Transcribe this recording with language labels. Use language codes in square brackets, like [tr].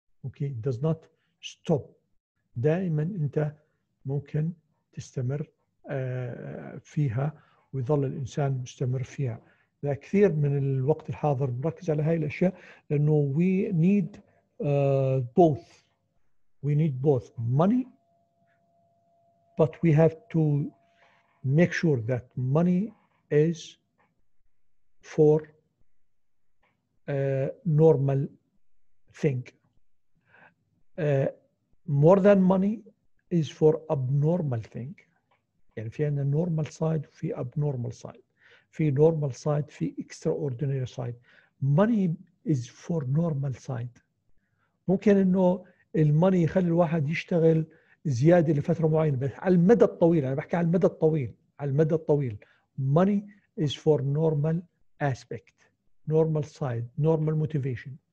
[en] Okay, it does not stop. [ar] دائما أنت ممكن تستمر فيها ويظل الإنسان مستمر فيها. ذا كثير من الوقت الحاضر بركز على هاي الأشياء، لأنه [en] we need both. We need both money, but we have to make sure that money is for normal thing. More than money is for abnormal thing. [ar] يعني في عندنا [en] normal side وفي abnormal side. في normal side في extraordinary side. Money is for normal side. [ar] ممكن إنه الماني يخلي الواحد يشتغل زيادة لفترة معينة بس على المدى الطويل. أنا بحكي على المدى الطويل. على المدى الطويل [en] money is for normal aspect, normal side, normal motivation.